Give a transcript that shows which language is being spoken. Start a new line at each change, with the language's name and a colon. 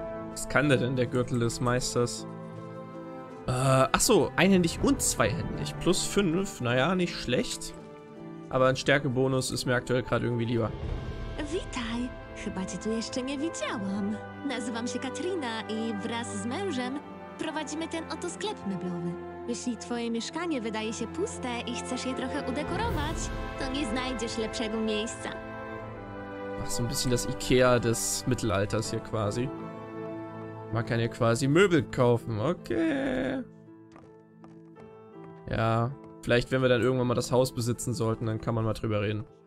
German: Was kann der denn, der Gürtel des Meisters? Achso, einhändig und zweihändig. Plus 5, naja, nicht schlecht. Aber ein Stärkebonus ist mir aktuell gerade irgendwie lieber.
Polish: Witaj, chyba cię tu jeszcze nie widziałam. Nazywam się Katrina i wraz z mężem prowadzimy ten oto sklep meblowy. Jeśli twoje mieszkanie wydaje się puste i chcesz je trochę udekorować, to nie znajdziesz lepszego miejsca.
German: Ach, so ein bisschen das Ikea des Mittelalters hier quasi. Man kann hier quasi Möbel kaufen, okay. Ja, vielleicht wenn wir dann irgendwann mal das Haus besitzen sollten, dann kann man mal drüber reden.